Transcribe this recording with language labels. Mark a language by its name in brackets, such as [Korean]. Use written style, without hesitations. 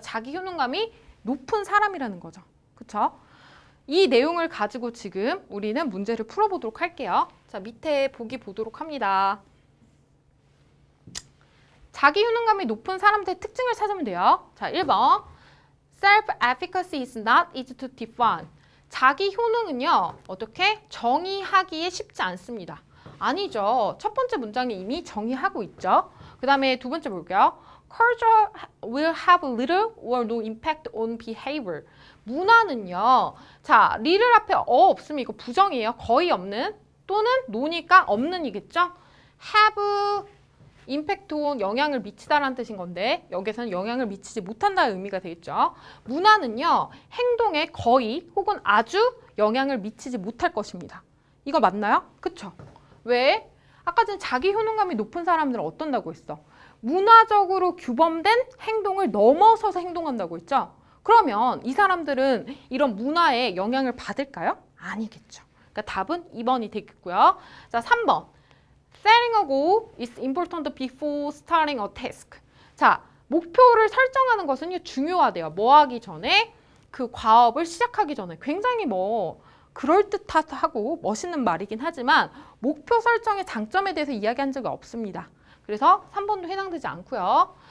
[Korean] 자기 효능감이 높은 사람이라는 거죠. 그렇죠? 이 내용을 가지고 지금 우리는 문제를 풀어보도록 할게요. 자, 밑에 보기 보도록 합니다. 자기 효능감이 높은 사람들의 특징을 찾으면 돼요. 자, 1번. [English] Self-efficacy is not easy to define. [Korean] 자기 효능은요, 어떻게? 정의하기에 쉽지 않습니다. 아니죠. 첫 번째 문장에 이미 정의하고 있죠. 그 다음에 두 번째 볼게요. [English] Culture will have little or no impact on behavior. [Korean] 문화는요, 자, little 앞에 없으면 이거 부정이에요. 거의 없는 또는 no니까 없는이겠죠. [English] Have impact on [Korean] 영향을 미치다라는 뜻인 건데 여기서는 영향을 미치지 못한다는 의미가 되겠죠. 문화는요. 행동에 거의 혹은 아주 영향을 미치지 못할 것입니다. 이거 맞나요? 그렇죠. 왜? 아까 전 자기 효능감이 높은 사람들은 어떤다고 했어? 문화적으로 규범된 행동을 넘어서서 행동한다고 했죠. 그러면 이 사람들은 이런 문화에 영향을 받을까요? 아니겠죠. 그러니까 답은 2번이 되겠고요. 자, 3번. [English] Setting a goal is important before starting a task. [Korean] 자, 목표를 설정하는 것은요, 중요하대요. 뭐 하기 전에? 그 과업을 시작하기 전에. 굉장히 뭐, 그럴듯하고 멋있는 말이긴 하지만, 목표 설정의 장점에 대해서 이야기한 적이 없습니다. 그래서 3번도 해당되지 않고요.